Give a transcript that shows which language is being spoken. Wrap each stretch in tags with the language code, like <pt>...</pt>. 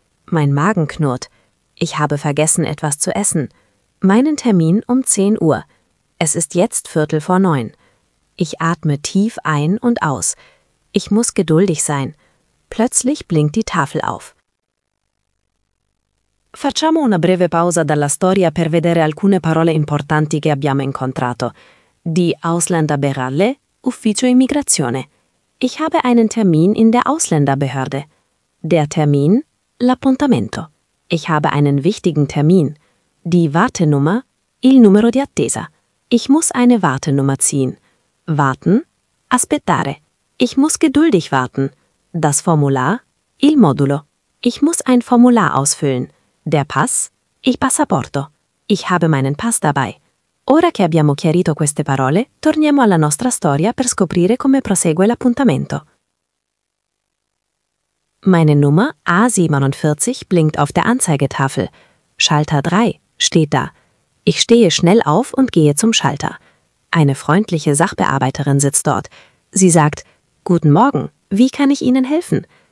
<de>Mein Magen knurrt. Ich habe vergessen, etwas zu essen. Meinen Termin um 10 Uhr. Es ist jetzt 8:45. Ich atme tief ein und aus. Ich muss geduldig sein. Plötzlich blinkt die Tafel auf.</de> <it>Facciamo una breve pausa dalla storia per vedere alcune parole importanti che abbiamo incontrato.</it> <de>Die Ausländerbehörde,</de> <it>Ufficio Immigrazione.</it> <de>Ich habe einen Termin in der Ausländerbehörde. Der Termin,</de> <it>l'appuntamento.</it> <de>Ich habe einen wichtigen Termin. Die Wartenummer,</de> <it>il numero di attesa.</it> <de>Ich muss eine Wartenummer ziehen. Warten,</de> <it>aspettare.</it> <de>Ich muss geduldig warten. Das Formular,</de> <it>il modulo.</it> <de>Ich muss ein Formular ausfüllen. Der Pass?</de> <it>Il passaporto.</it> <de>Ich habe meinen Pass dabei.</de> <it>Ora che abbiamo chiarito queste parole, torniamo alla nostra storia per scoprire come prosegue l'appuntamento.</it> <de>Meine Nummer A47 blinkt auf der Anzeigetafel. Schalter 3 steht da. Ich stehe schnell auf und gehe zum Schalter. Eine freundliche Sachbearbeiterin sitzt dort. Sie sagt, Guten Morgen, wie kann ich Ihnen helfen?</de>